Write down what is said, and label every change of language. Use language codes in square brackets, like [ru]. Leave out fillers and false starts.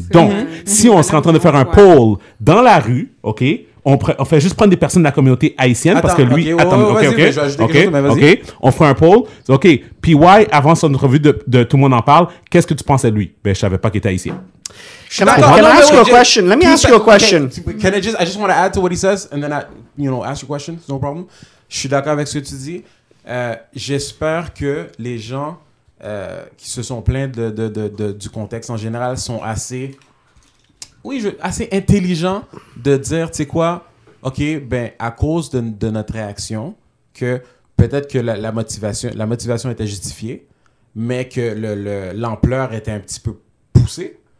[fr] C'est donc, si on serait en train de faire un poll dans la rue, ok, on fait juste prendre des personnes de la communauté haïtienne on fait un poll, ok, PY, avant son entrevue de Tout le monde en parle, qu'est-ce que tu penses de lui? Ben, je savais pas qu'il était haïtien. [en] Let me ask you a question. I just want to add to what he says, and then ask your question, no problem. [fr] Je suis d'accord avec ce que tu dis. J'espère que les gens qui se sont plaints du contexte en général sont assez... Oui, assez intelligent de dire, tu sais quoi, OK, ben à cause de notre réaction, que peut-être que la motivation était justifiée, mais que l'ampleur était un petit peu poussée.